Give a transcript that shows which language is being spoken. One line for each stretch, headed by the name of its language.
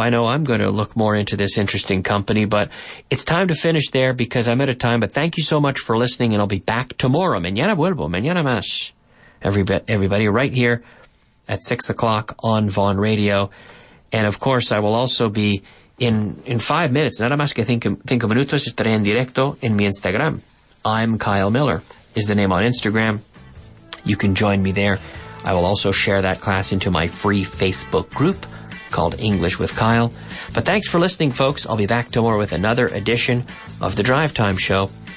English: I know I'm going to look more into this interesting company, but it's time to finish there because I'm out of time. But thank you so much for listening, and I'll be back tomorrow.
Spanish: Mañana vuelvo. Mañana más.
English: Everybody right here at 6 o'clock on Vaughn Radio. And, of course, I will also be in 5 minutes.
Spanish: Nada más que cinco minutos estaré en directo en mi Instagram.
English: I'm Kyle Miller is the name on Instagram. You can join me there. I will also share that class into my free Facebook group called English with Kyle. But thanks for listening, folks. I'll be back tomorrow with another edition of The Drive Time Show.